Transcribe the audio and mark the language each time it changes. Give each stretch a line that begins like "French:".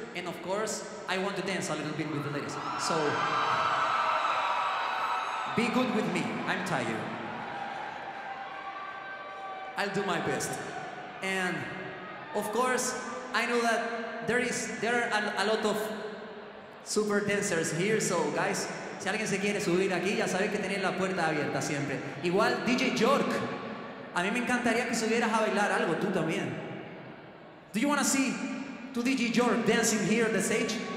English: And of course, I want to dance a little bit with the ladies. So be good with me. I'm tired. I'll do my best. And of course, I know that there are a lot of super dancers here. So guys,
Spanish: si alguien se quiere subir aquí, ya sabes que tenéis la puerta abierta siempre. Igual DJ York, a mí me encantaría que subieras a bailar algo, tú también.
English: Do you want to see to DJ York dancing here at the stage?